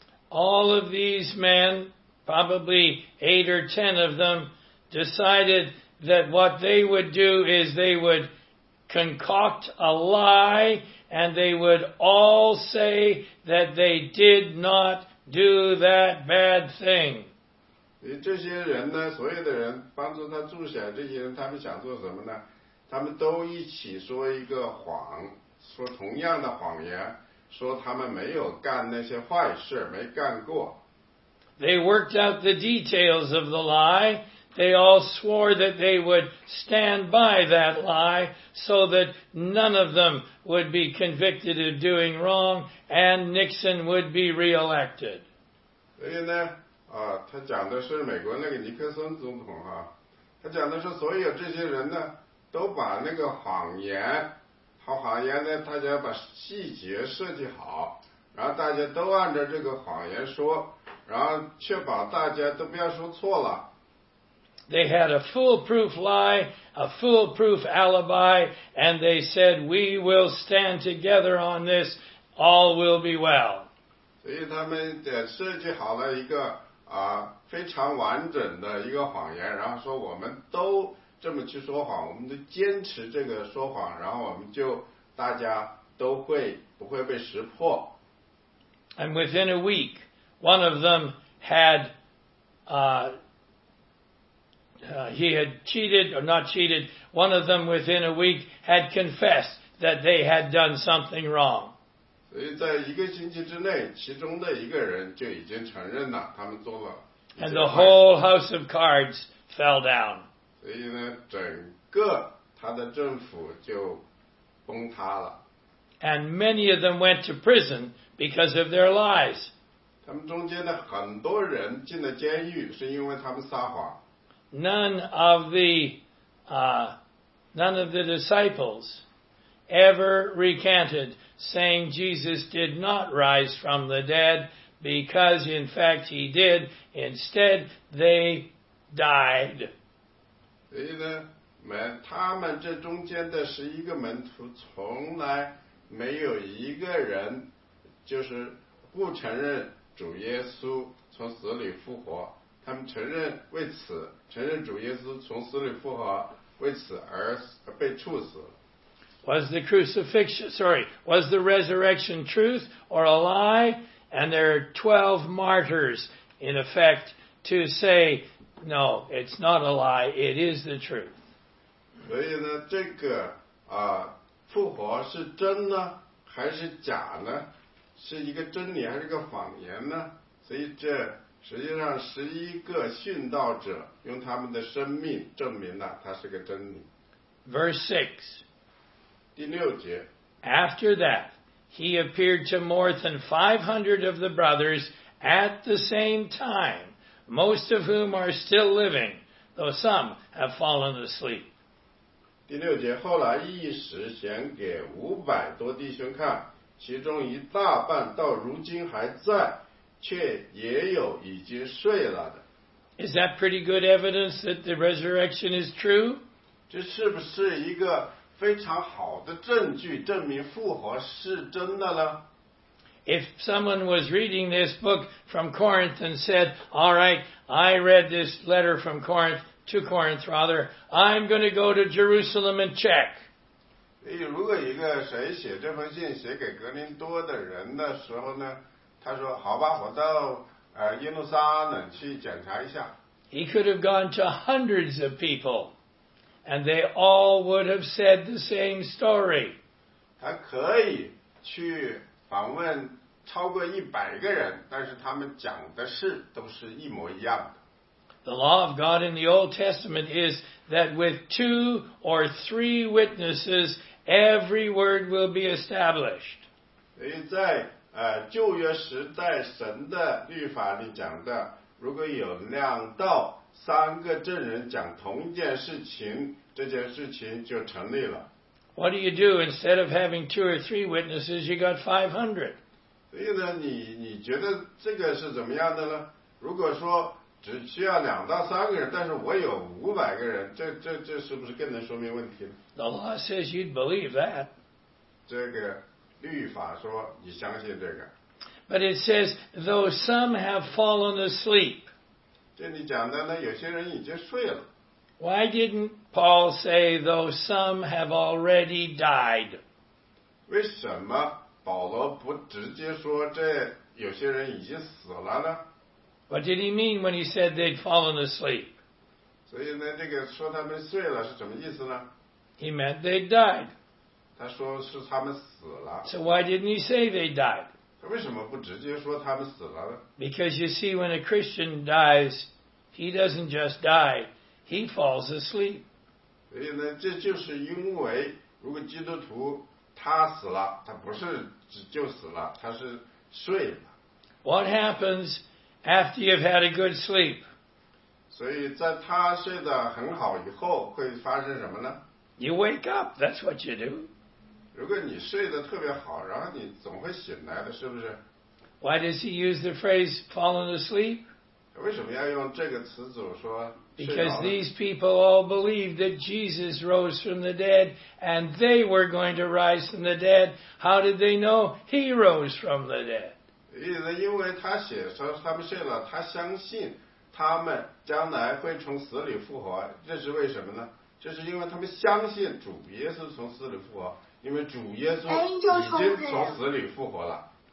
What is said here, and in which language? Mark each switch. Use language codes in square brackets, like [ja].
[en] All of these men, probably 8 or 10 of them, decided that what they would do is they would concoct a lie and they would all say that they did not do that bad thing. [zh] 这些人呢，所有的人帮助他助选这些人，他们想做什么呢？他们都一起说一个谎，说同样的谎言，说他们没有干那些坏事，没干过。 [en] They worked out the details of the lie. They all swore that they would stand by that lie so that none of them would be convicted of doing wrong and Nixon would be re-elected. [zh] 所以呢，他讲的是美国那个尼克森总统啊，他讲的是所有这些人呢，都把那个谎言好谎言呢，大家把细节设计好，然后大家都按照这个谎言说，然后确保大家都不要说错了。 [en] They had a foolproof lie, a foolproof alibi, and they said, we will stand together on this, all will be well. [zh] 所以他们设计好了一个非常完整的一个谎言，然后说我们都这么去说谎，我们都坚持这个说谎，然后我们就大家都会不会被识破。 [en] And within a week, one of them had, he had cheated, or not cheated, one of them within a week had confessed that they had done something wrong. [zh] 所以在一个星期之内，其中的一个人就已经承认了他们做了。 [en] And the whole house of cards fell down. [zh] 所以呢，整个他的政府就崩塌了。 [en] And many of them went to prison because of their lies. [zh] 他们中间的很多人进了监狱，是因为他们撒谎。 [en] None of the disciples ever recanted saying Jesus did not rise from the dead because in fact he did. Instead, they died. [zh] 所以呢，他们这中间的11门徒从来没有一个人就是不承认主耶稣从死里复活，他们承认主耶稣从死里复活，为此而被处死。 [en] Was the crucifixion, sorry, was the resurrection truth or a lie? And there are 12 martyrs in effect to say, no, it's not a lie, it is the truth. [zh] 所以呢，这个复活是真呢还是假呢？是一个真理还是个谎言呢？所以这实际上11殉道者用他们的生命证明了它是个真理。 [en] Verse 6， [zh] 第六节。 [en] After that, he appeared to more than 500 of the brothers at the same time, most of whom are still living, though some have fallen asleep. [zh] 第六节，后来一时显给500多弟兄看，其中一大半到如今还在，却也有已经睡了的。 [en] Is that pretty good evidence that the resurrection is true? [zh] 这是不是一个非常好的证据，证明复活是真的呢？ [en] if someone was reading this book from Corinth and said, all right, I read this letter from Corinth, to Corinth rather, I'm going to go to Jerusalem and check. [zh] 如果一个谁写这封信写给格林多的人的时候呢，他说好吧，我到耶路撒冷去检查一下。 [en] He could have gone to hundreds of people, and they all would have said the same story. [zh] 他可以去访问超过一百个人，但是他们讲的事都是一模一样的。 [en] The law of God in the Old Testament is that with two or three witnesses, every word will be established. [zh] 所以在旧约时代神的律法里讲的，如果有两到三个证人讲同一件事情，这件事情就成立了。 [en] What do you do instead of having two or three witnesses? You got 500. [zh] 所以呢，你觉得这个是怎么样的呢？如果说只需要两到三个人，但是我有五百个人，这是不是更能说明问题呢？ [en] The law says you'd believe that. [zh] 这个律法说你相信这个。 [en] But it says though some have fallen asleep. [zh] 这里讲的呢，有些人已经睡了。 [en] Why didn't Paul say, though some have already died? [zh] 为什么保罗不直接说这有些人已经死了呢？ [en] What did he mean when he said they'd fallen asleep? [zh] 所以呢，这个说他们睡了是什么意思呢？ [en] He meant they'd died. [zh] 他说是他们死了。 [en] So why didn't he say they died? [zh] 他为什么不直接说他们死了呢？ [en] Because you see, when a Christian dies, he doesn't just die. He falls asleep. [zh] 所以呢，这就是因为如果基督徒他死了，他不是就死了，他是睡了。 [en] What happens after you've had a good sleep? [zh] 所以在他睡得很好以后会发生什么呢？ [en] You wake up, that's what you do. [zh] 如果你睡得特别好，然后你总会醒来的，是不是？ [en] Why does he use the phrase falling asleep? [zh] 为什么要用这个词组说？ [en] Because these people all believed that Jesus rose from the dead and they were going to rise from the dead. How did they know he rose from the dead? [zh] 因为他写说他们睡了，他相信他们将来会从死里复活，这是为什么呢？这是因为他们相信主耶稣从死里复活，因为主耶稣已经从死里复活了。